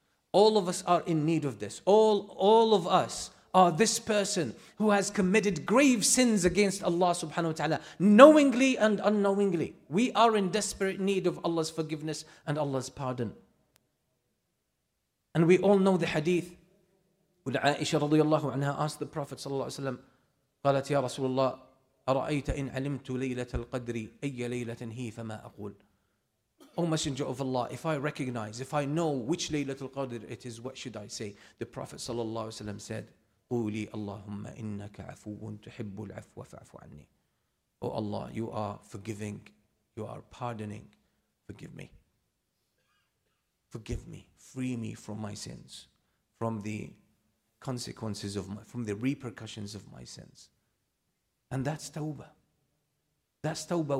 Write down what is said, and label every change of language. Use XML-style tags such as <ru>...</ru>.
<en>All of us are in need of this. All of us are this person who has committed grave sins against Allah subhanahu wa ta'ala, knowingly and unknowingly. We are in desperate need of Allah's forgiveness and Allah's pardon. And we all know the hadith. When Aisha radiallahu anha asked the Prophet sallallahu alayhi wa sallam,</en> <ar>قالت يا رسول الله أرأيت إن علمت ليلة القدر أي ليلة هي فما أقول.</ar> <en>O Messenger of Allah, if I recognize, if I know which Laylatul Qadr it is, what should I say? The Prophet sallallahu alayhi wa sallam said,</en> <ar>قولي اللهم إنك عفو تحب العفو فاعف عني.</ar> <en>O Allah, you are forgiving, you are pardoning, forgive me. Forgive me, free me from my sins, from the repercussions of my sins. And that's tawbah. That's tawbah.</en>